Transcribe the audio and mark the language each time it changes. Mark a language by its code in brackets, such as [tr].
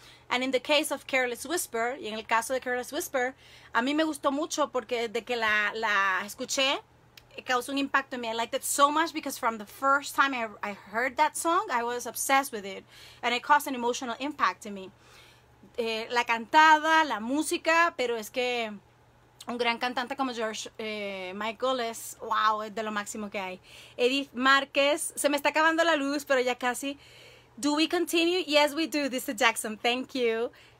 [en] And in the case of Careless Whisper, [es] y en el caso de Careless Whisper, a mí me gustó mucho porque de que la escuché, [en] it [es] causó un impacto en mí. [en] I liked it so much because from the first time I heard that song, I was obsessed with it. And it caused an emotional impact in me. [es] La cantada, la música, pero es que un gran cantante como George Michael es, wow, es de lo máximo que hay. Edith Márquez, se me está acabando la luz, pero ya casi. [en] Do we continue? Yes, we do, this is Jackson, thank you.